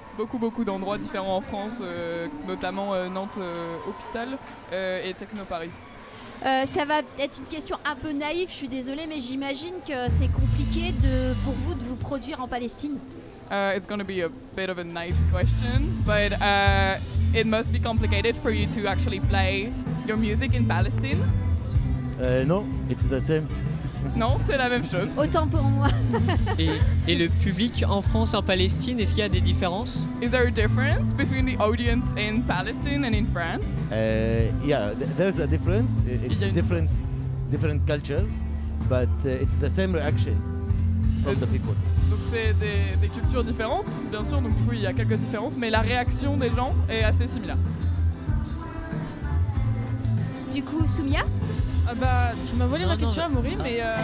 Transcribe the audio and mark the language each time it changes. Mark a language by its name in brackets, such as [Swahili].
[French] Beaucoup, beaucoup d'endroits différents en France, notamment Nantes Hôpital et Techno Paris. Ça va être une question un peu naïve, je suis désolée, mais j'imagine que c'est compliqué pour vous de vous produire en Palestine. [English] It's going to be a bit of a naive question, but it must be complicated for you to actually play your music in Palestine. Non, it's the same. [French] Non, c'est la même chose. Autant pour moi. Et le public en France, en Palestine, est-ce qu'il y a des différences? [English] Is there a difference between the audience in Palestine and in France? Yeah, there's a difference. It's different cultures, but it's the same reaction from the people. [French] Donc c'est des cultures différentes, bien sûr. Donc oui, il y a quelques différences, mais la réaction des gens est assez similaire. Du coup, Soumia? Tu m'as volé ma question à Maury, mais...